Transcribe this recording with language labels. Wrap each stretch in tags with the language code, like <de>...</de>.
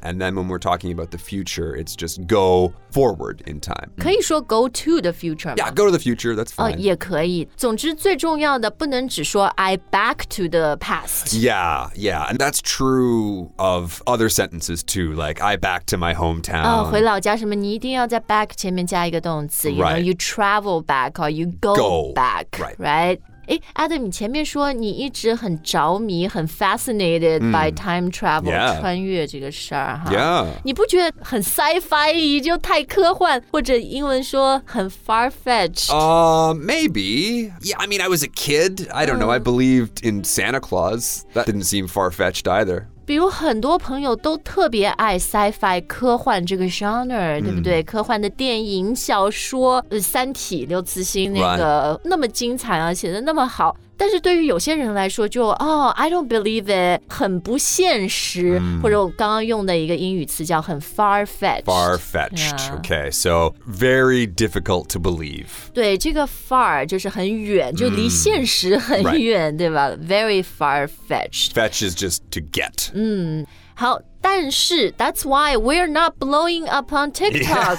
<en>And then when we're talking about the future, it's just go forward in time.</en> <zh>可以说</zh> <en>go to the future</en> <zh>吗？</zh> <en>Yeah, go to the future, that's fine.</en> <zh>也可以。总之最重要的不能只说</zh> <en>I back to the past. Yeah. Yeah, yeah. And that's true of other sentences too, like I back to my hometown.</en> <zh>回老家什么，你一定要在 back 前面加一个动词。</zh> <en>You know, you travel back or you go back, right?</en> <zh>Adam, 你前面说你一直很着迷，很</zh> <en>fascinated by time travel,</en> <zh>穿越这个事儿哈。</zh> <en>Yeah.</en> <zh>你不觉得很 sci-fi, 就太科幻，或者英文说很 far-fetched?</zh> <en>Maybe. Yeah, I mean, I was a kid. I don't know. I believed in Santa Claus. That didn't seem far-fetched either.</en> <zh>比如很多朋友都特别爱 sci-fi 科幻这个 genre, 对不对？科幻的电影、小说，三体、刘慈欣那个、</zh> <en>right.</en> <zh>那么精彩啊，写得那么好。但是对于有些人来说就</zh> <en>I don't believe it,</en> <zh>很不现实、或者我刚刚用的一个英语词叫很 far-fetched.</zh> <en>Far-fetched,、yeah. okay, so very difficult to believe.</en> <zh>对,这个 far 就是很远,就离现实很远,、</zh> <en>right.</en> <zh>对吧?</zh> <en>Very far-fetched. Fetch is just to get.</en> <zh>好,但是</zh> <en>that's why we're not blowing up on TikTok.</en>